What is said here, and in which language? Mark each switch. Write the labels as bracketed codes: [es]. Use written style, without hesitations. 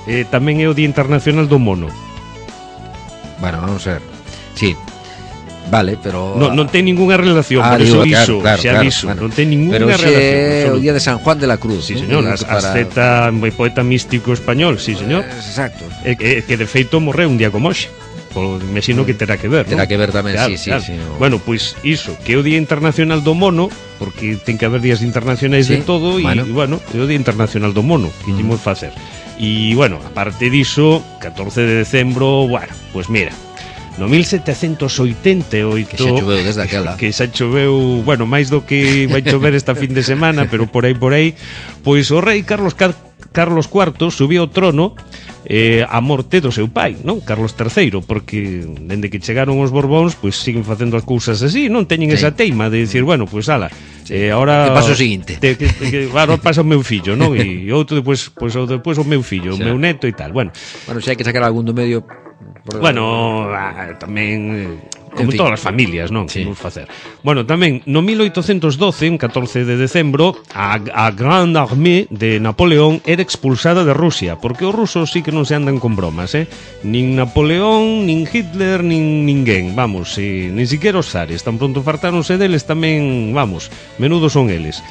[gl] Tamén é o Día Internacional do Mono. [es] Bueno, vamos a ver. Sí, vale, pero... [gl] Non ten ninguna relación, por eso aviso, non ten ninguna relación. Pero é o Día de San Juan de la Cruz. [es] Sí, señor, asceta, para... poeta místico español, sí, señor. Exacto. [gl] Que de feito morreu un día como hoxe. Me sino que terá que ver, terá, ¿no?, que ver tamén, claro, sí, sí, claro. Sí, no. Bueno, pois iso, que é o Día Internacional do Mono, porque ten que haber días internacionais, sí, de todo, bueno. E bueno, é o Día Internacional do Mono, que ximos facer. E bueno, aparte diso, 14 de decembro, bueno, pois mira, no 1788, que xa choveu desde aquela, que xa choveu, bueno, máis do que vai chover esta fin de semana, pero por aí, pois o rei Carlos IV subiu ao trono a morte do seu pai, non? Carlos III, porque dende que chegaron os Borbóns, pois siguen facendo as cousas así, non teñen, sí, esa teima de dicir, bueno, pois ala, sí, agora que paso o seguinte. Agora pasa o meu fillo, non? E outro depois, pois o depois o meu fillo, o meu neto e tal. Bueno, se hai que sacar algún do medio. Bueno, tamén como en fin, todas as familias, non? Sí. Vamos facer. Bueno, tamén no 1812, en 14 de decembro, a Grande Armée de Napoleón era expulsada de Rusia, porque os rusos sí que non se andan con bromas, Nin Napoleón, nin Hitler, nin ninguén, vamos, e nin siquiera os zares, tan pronto fartáronse deles tamén, vamos, menudo son eles.